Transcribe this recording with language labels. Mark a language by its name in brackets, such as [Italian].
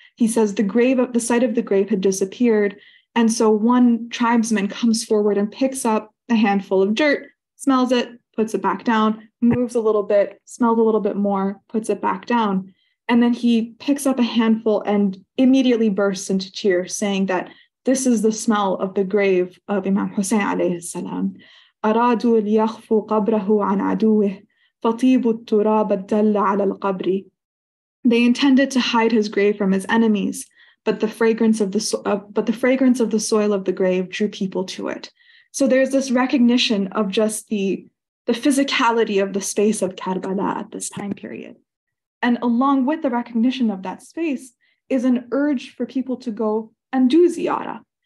[English] He says the site of the grave had disappeared. And so one tribesman comes forward and picks up a handful of dirt, smells it, puts it back down, moves a little bit, smells a little bit more, puts it back down. And then he picks up a handful and immediately bursts into tears, saying that this is the smell of the grave of Imam Hussein alayhi salam. [Arabic] أرادوا ليخفوا قبره عن عدوه فطيب التراب الدل على القبر. [English] They intended to hide his grave from his enemies, but the fragrance of the soil of the grave drew people to it. So there's this recognition of just the physicality of the space of Karbala at this time period. And along with the recognition of that space is an urge for people to go and do ziyara.